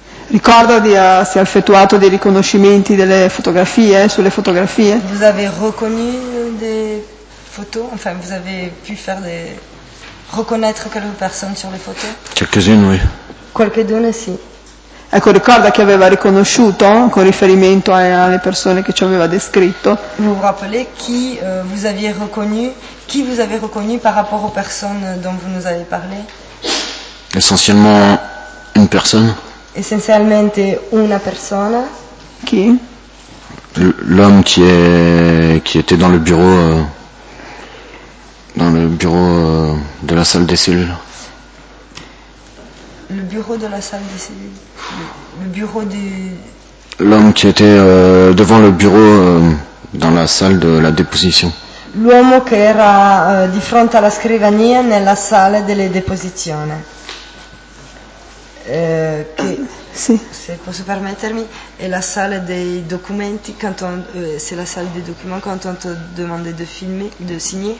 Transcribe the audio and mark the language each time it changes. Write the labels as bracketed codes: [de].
[it] Ricorda di si è effettuato dei riconoscimenti delle fotografie, sulle fotografie? [fr] Vous avez reconnu des photos, enfin vous avez pu faire des reconnaître quelques personnes sur les photos? Quelques-unes, oui. [it] Qualcheduna sì. Ecco, ricorda che aveva riconosciuto con riferimento alle persone che ci aveva descritto. [fr] Vous vous rappelez qui vous aviez reconnu, qui vous avez reconnu par rapport aux personnes dont vous nous avez parlé? Essentiellement une personne. [it] Essentialmente una persona. Chi? [fr] L'homme qui était dans le bureau de la salle des cellules. Le bureau de la salle des cellules. Le bureau du L'homme qui était devant le bureau dans la salle de la déposition. [it] L'uomo che era di fronte alla scrivania nella sala delle deposizioni. Che sì. Se posso permettermi, è la sala dei documenti, [fr] quand on, c'est la salle des documents quand on te demandait de filmer, de signer.